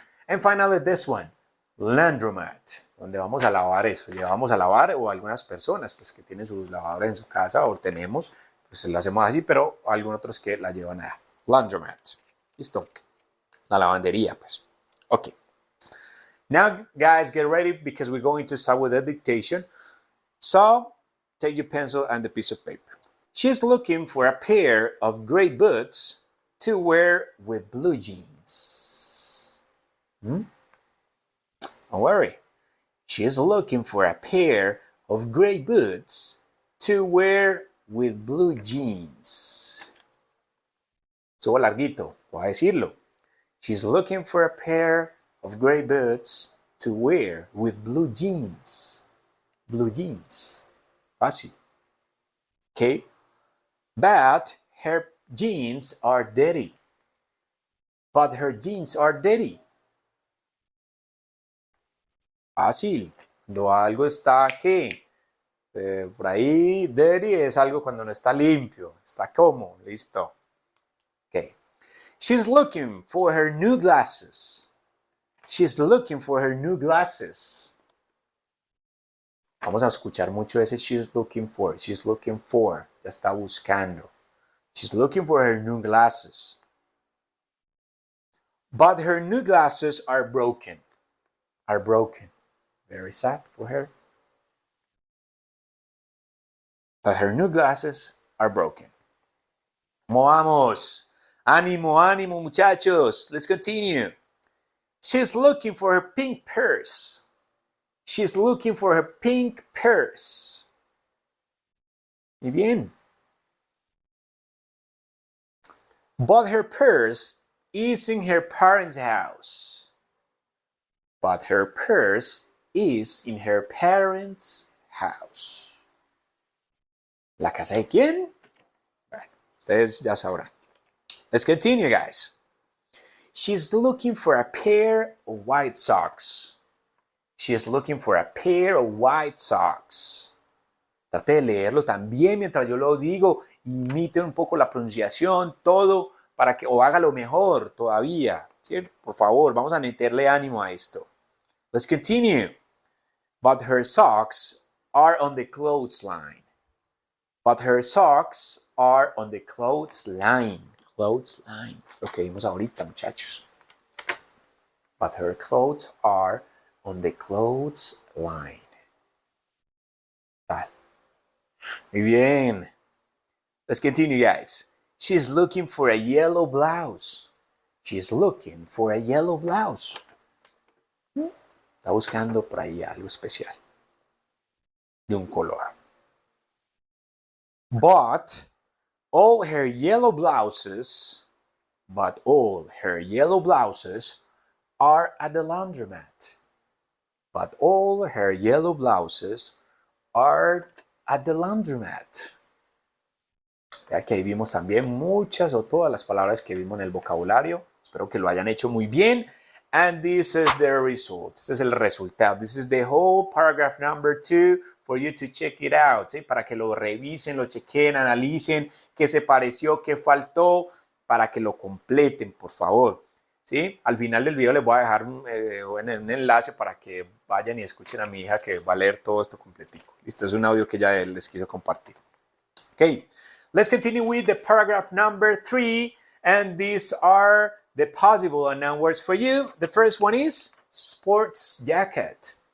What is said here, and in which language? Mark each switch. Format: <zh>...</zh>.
<en>And finally, this one, laundromat.</en> <es>Donde vamos a lavar eso, llevamos a lavar, o algunas personas pues que tienen sus lavadoras en su casa, o tenemos, pues lo hacemos así, pero algunos otros que la llevan a laundromat. Listo, la lavandería, pues.</es> <en>Ok. Now, guys, get ready, because we're going to start with the dictation. So, take your pencil and a piece of paper. She's looking for a pair of gray boots to wear with blue jeans. Don't worry. She is looking for a pair of gray boots to wear with blue jeans.</en> <es>Subo larguito, voy a decirlo.</es> <en>She is looking for a pair of gray boots to wear with blue jeans. Blue jeans.</en> <es>Fácil.</es> <en>Okay. But her jeans are dirty. But her jeans are dirty.</en> <es>Fácil. Cuando algo está, ¿qué? Por ahí, dirty es algo cuando no está limpio. Está como, listo. Okay.</es> <en>She's looking for her new glasses. She's looking for her new glasses.</en> <es>Vamos a escuchar mucho ese</es> <en>she's looking for. She's looking for.</en> <es>Ya está buscando.</es> <en>She's looking for her new glasses. But her new glasses are broken. Are broken. Very sad for her. But her new glasses are broken.</en> <es>¿Cómo vamos? Ánimo, ánimo, muchachos.</es> <en>Let's continue. She's looking for her pink purse. She's looking for her pink purse.</en> <es>Muy bien.</es> <en>But her purse is in her parents' house. But her purse is in her parents' house.</en> <es>¿La casa de quién? Bueno, ustedes ya sabrán.</es> <en>Let's continue, guys. She's looking for a pair of white socks. She is looking for a pair of white socks.</en> <es>Trate de leerlo también mientras yo lo digo. Imite un poco la pronunciación, todo, para que, o hágalo mejor todavía. ¿Sí? Por favor, vamos a meterle ánimo a esto.</es> <en>Let's continue. But her socks are on the clothesline. But her socks are on the clothesline. Clothesline.</en> <es>Okay, vamos ahorita, muchachos.</es> <en>But her clothes are on the clothesline.</en> <es>Vale. Muy bien.</es> <en>Let's continue, guys. She's looking for a yellow blouse. She's looking for a yellow blouse.</en> <es>Está buscando por ahí algo especial. De un color. But</es> <en>All her yellow blouses, but all her yellow blouses are at the laundromat. But all her yellow blouses are at the laundromat.</en> <es>Ya que ahí vimos también muchas o todas las palabras que vimos en el vocabulario. Espero que lo hayan hecho muy bien.</es> <en>And this is the result.</en> <es>Este es el resultado.</es> <en>This is the whole paragraph number 2 for you to check it out. ¿Sí?</en> <es>Para que lo revisen, lo chequen, analicen qué se pareció, qué faltó. Para que lo completen, por favor. ¿Sí? Al final del video les voy a dejar un enlace para que vayan y escuchen a mi hija que va a leer todo esto completito. Listo, es un audio que ya les quiso compartir. Ok.</es> <en>Let's continue with the paragraph number 3. And these are the possible unknown words for you. The first one is sports jacket.</en>